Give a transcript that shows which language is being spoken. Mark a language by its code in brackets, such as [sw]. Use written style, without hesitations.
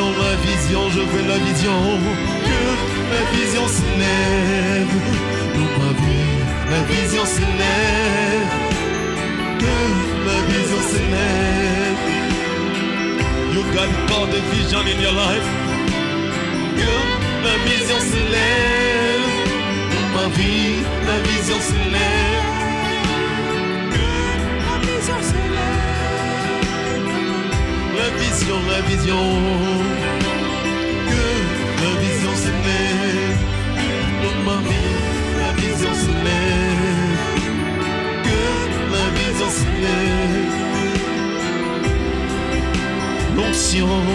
[fr] la vision, je veux la vision, que la vision se lève dans ma vie, la vision se lève, que la vision se lève. [en] You got God of vision in your life. [fr] La vision se lève dans ma vie, la vision se lève, que la vision se lève, la vision, que la vision se lève dans ma vie, la vision se lève, que la vision se lève, l'onction,